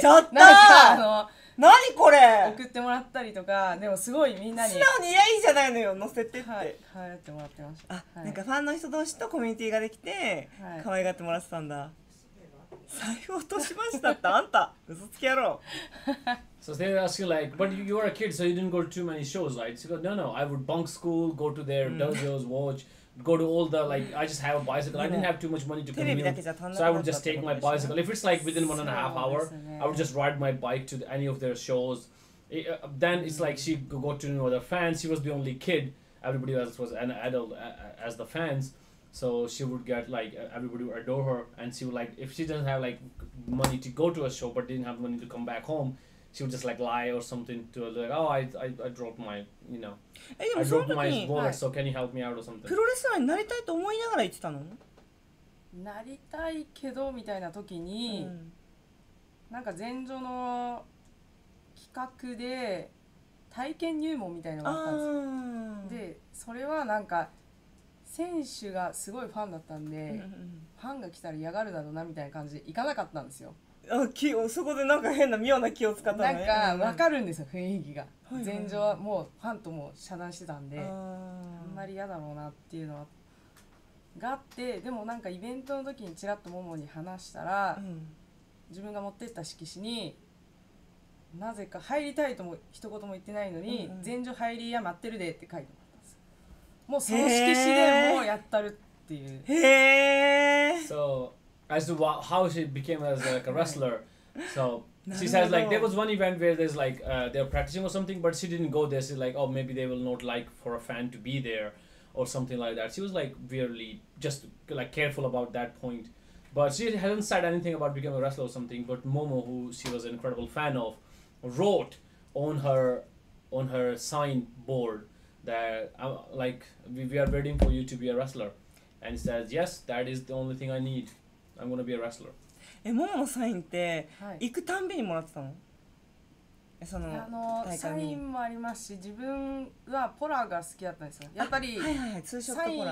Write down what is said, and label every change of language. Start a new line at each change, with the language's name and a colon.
Japanese: ちょっとなんかあの何これ、送ってもらったりとか。でもすごいみんなに素直に、いや、いいじゃないのよ、乗せてって、はい、可愛がってもらってました。あ、なんかファンの人同士とコミュニティができて可愛がってもらってたんだ。財布落としましたってあんた嘘つき野郎。
English: So they ask you like, but you were a kid, so you didn't go to too many shows, right? So you go, no, I would bunk school, go to their dojos, watch, go to all the, like, I just have a bicycle. I didn't have too much money to commute, so I would just take my bicycle. If it's like within 1.5 hours, I would just ride my bike to any of their shows. Then it's like she got to know the fans. She was the only kid. Everybody else was an adult as the fans. So she would get like, everybody would adore her. And she would like, if she doesn't have like money to go to a show, but didn't have money to come back home,She would just like lie or something to her, like, oh, I dropped my, you know, I dropped my wallet, so can you help me out or something.
Japanese: プロレスラーになりたいと思いながら言ってたの？なりたいけどみたいな時に、なんか前座の企画で体験入門みたいなのがあったんですよ。で、それはなんか選手がすごいファンだったんで、ファンが来たら嫌がるだろうなみたいな感じで行かなかったんですよ。あ、気を、そこでなんか変な妙な気を使ったね。なんか分かるんですよ、雰囲気が。前場はもうファンとも遮断してたんで、あんまり嫌だろうなっていうのがあって、でもなんかイベントの時にちらっとモモに話したら、自分が持ってった色紙になぜか入りたいとも一言も言ってないのに、前場入りや待ってるでって書いてもらったんです。もうその色紙でもうやったるっていう。へー。
English: So as to how she became as like a wrestler. So she says like there was one event where there's like they were practicing or something, but she didn't go there. She's like, oh, maybe they will not like for a fan to be there or something like that. She was like really just like careful about that point. But she hasn't said anything about becoming a wrestler or something, but Momo, who she was an incredible fan of, wrote on her sign board that, like, we are waiting for you to be a wrestler. And says, yes, that is the only thing I need. I'm going to be a wrestler.
Japanese: え、もものサインって行くたんびにもらってたの？はい、その大会に。サインもありますし、自分はポラが好きだったんですよ。やっぱり、はいはいはい、ツーショットポラ